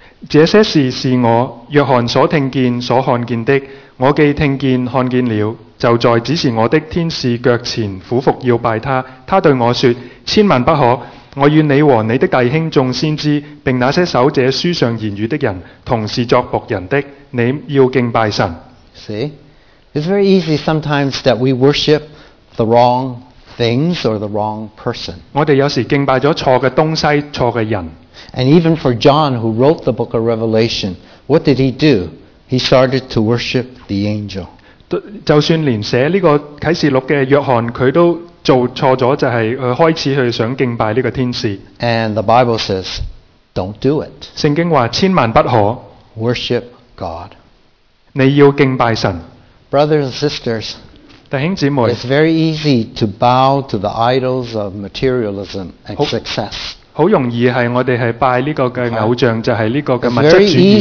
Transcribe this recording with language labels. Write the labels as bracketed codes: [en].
[zh] 这些事是我约翰所听见所看见的我既听见看见了就在指示我的天使脚前俯伏要拜他他对我说千万不可我与你和你的弟兄众先知并那些守者书上言语的人同是作仆人的你要敬拜神 [en] See? It's very easy sometimes that we worship the wrong things or the wrong person. [zh] 我们有时敬拜了错的东西错的人 [en] And even for John who wrote the book of Revelation, what did he do? He started to worship the angel. [zh] 就算连写这个启示录的约翰他都做错了就是他开始去想敬拜这个天使 [en] And the Bible says, don't do it. [zh] 圣经说千万不可 [en] Worship God. [zh] 你要敬拜神。 [en] Brothers and sisters, [zh] 弟兄姊妹, [en] it's very easy to bow to the idols of materialism and success. [zh] 很容易是我们是拜这个偶像就是这个物质主义。